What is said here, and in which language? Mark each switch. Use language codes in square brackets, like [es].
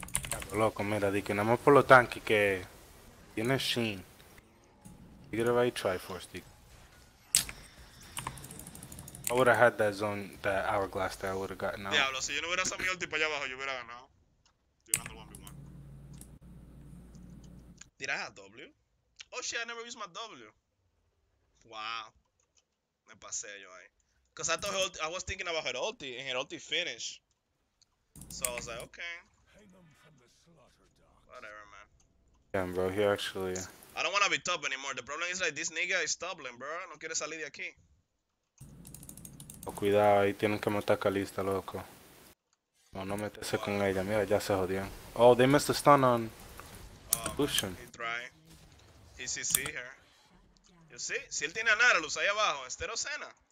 [es] Cabo loco, mira, di que nada más por los tanques que tiene Sheen. [en] You get a right Triforce, di. I would have had that zone, that hourglass there, I would have gotten out. [es] Diablo, si yo no hubiera sacado mi ulti para allá abajo, yo hubiera ganado. Llegando al 1v1. [en] Did I have W? Oh shit, I never used my W. Wow. [es] Me pasé yo ahí. [en] Cause I thought I was thinking about her ulti and her ulti finish. So I was like, okay. Whatever, man. Damn, bro, he actually. I don't wanna be top anymore. The problem is like this nigga is doubling, bro. [es] No quiere salir de aquí. Oh, cuidado, ahí tienen que matar a Kalista, loco. No, no meterse con ella, mira, ya se jodió. [en] Oh, they missed the stun on. Push him. He tried. He CC here. You see? [es] Si él tiene a Nautilus ahí abajo, Estero Senna.